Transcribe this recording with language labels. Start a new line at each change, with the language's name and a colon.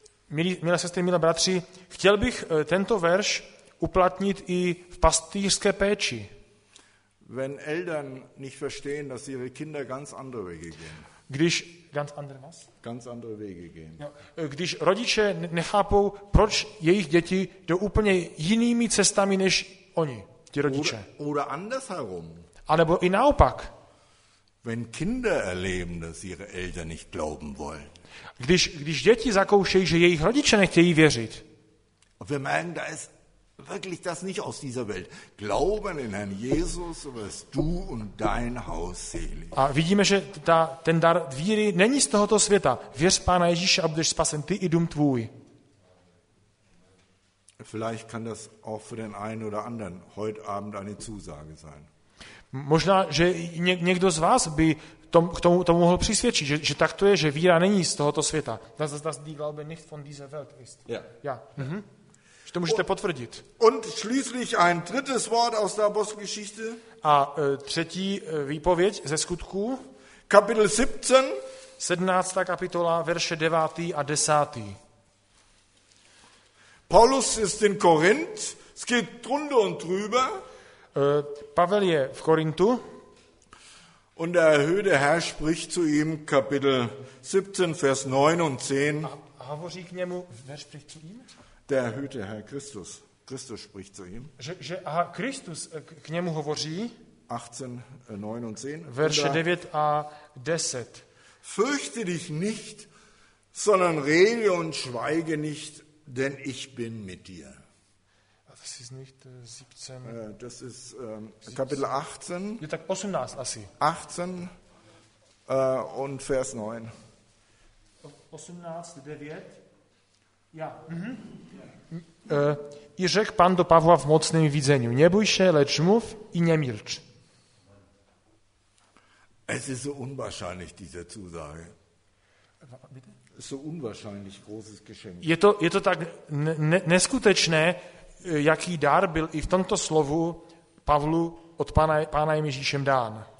Czech: Milé sestry, milé bratři, chtěl bych tento verš uplatnit i v pastýřské péči.
German: Wenn Eltern nicht verstehen, dass ihre Kinder ganz andere Wege gehen.
Czech: Když
German: ganz andere was? Ganz andere Wege gehen.
Czech: Jo. Když rodiče nechápou, proč jejich děti jdou úplně jinými cestami než oni, ti rodiče.
German: Oder andersherum.
Czech: A nebo i naopak.
German: Wenn Kinder erleben, dass ihre Eltern nicht glauben wollen.
Czech: Když děti zakoušejí, že jejich rodiče nechtějí věřit.
German: Und wir merken, da ist wirklich das nicht aus dieser Welt. Glauben in Herrn Jesus, wirst du und dein Haus selig.
Czech: A vidíme, že ten dar víry není z tohoto světa. Věř Pána Ježíše a budeš spasen ty i dům tvůj.
German: Vielleicht kann das auch für den einen oder anderen heute Abend eine Zusage sein.
Czech: Možná, že někdo z vás by tomu mohl přisvědčit, že tak to je, že víra není z tohoto světa.
German: Das die Glaube nicht von dieser Welt ist. Ja. Ja.
Czech: Mhm. To můžete potvrdit.
German: Und schließlich ein drittes Wort aus der Apostelgeschichte.
Czech: A třetí výpověď ze skutků.
German: Kapitel 17.
Czech: 17. kapitola, verše 9. a 10.
German: Paulus ist in Korinth. Es geht drunter und drüber.
Czech: Pavel je v Korintu.
German: Und der erhöhte Herr spricht zu ihm, Kapitel 17, Vers 9 und 10.
Czech: A hovoří k němu,
German: wer spricht zu ihm? Der erhöhte Herr Christus. Christus spricht zu ihm.
Czech: Aha, Christus k němu hovoří.
German: 18, 9 und 10.
Czech: Verše 9 a 10.
German: Fürchte dich nicht, sondern rede und schweige nicht, denn ich bin mit dir. Das ist nicht 17. Das ist Kapitel 18.
Czech: Je tak 18 asi.
German: 18 und Vers 9. 18, 9. Ja. Mhm.
Czech: I řekl pan do Pavla v mocném vidění: Nebuj se, leč mluv i nemilč.
German: Es ist so unwahrscheinlich diese Zusage. Bitte? So unwahrscheinlich großes Geschenk.
Czech: Je to tak neskutečné, jaký dar byl i v tomto slovu Pavlu od pána Ježíšem dán.